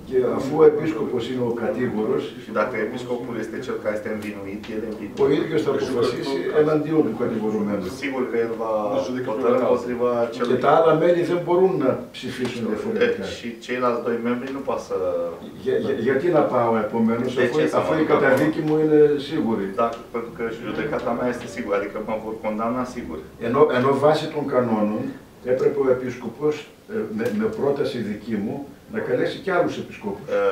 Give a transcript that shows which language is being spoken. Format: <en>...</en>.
<el>Και αφού ο επίσκοπος είναι ο κατήγορος.</el> <ro>Și dacă επίσκοπος este cel care este învinuit, el e învinuit.</ro> <el>Ο ίδιος θα αποφασίσει εναντίον του κατηγορουμένου.</el> <ro>Sigur că el va hotărâ împotriva celui.</ro> <el>Και τα άλλα μέλη δεν μπορούν να ψηφίσουν διαφορετικά.</el> <ro>Și ceilalți doi membri nu poate să.</ro> <el>Γιατί να πάω επομένως, αφού η καταδίκη μου είναι σίγουρη.</el> <ro>Pentru că judecata mea este sigură. Adică mă vor condamna sigur.</ro> <el>Ενώ βάσει των κανόνων έπρεπε ο επίσκοπος με πρόταση δική μου να καλέσει και άλλους επισκόπους.</el>